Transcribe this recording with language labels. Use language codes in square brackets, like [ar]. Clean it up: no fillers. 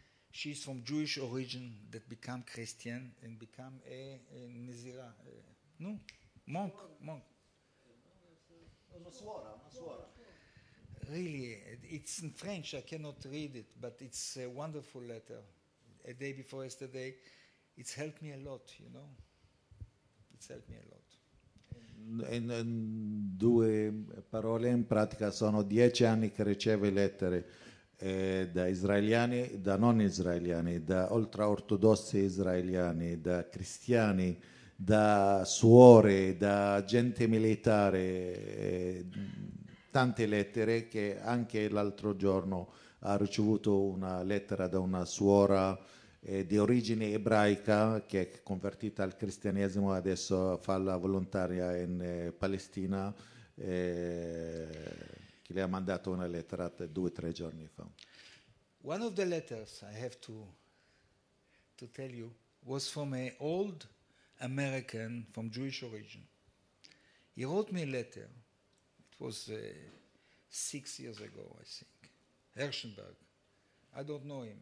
[en] She's from Jewish origin that became Christian and became a Nezira. No, monk. Really, it's in French. I cannot read it, but it's a wonderful letter. A day before yesterday, it's helped me a lot, you know. It's helped me a lot. [it] In due parole, in pratica, sono 10 anni che riceve lettere da israeliani, da non israeliani, da ultraortodossi israeliani, da cristiani, da suore, da gente militare, tante lettere, che anche l'altro giorno ha ricevuto una lettera da una suora di origine ebraica che è convertita al cristianesimo, adesso fa la volontaria in Palestina, che le ha mandato una lettera 2-3 giorni fa. [en] One of the letters I have to tell you was from an old American from Jewish origin. He wrote me a letter. It was 6 years ago, I think. Hershenberg. I don't know him.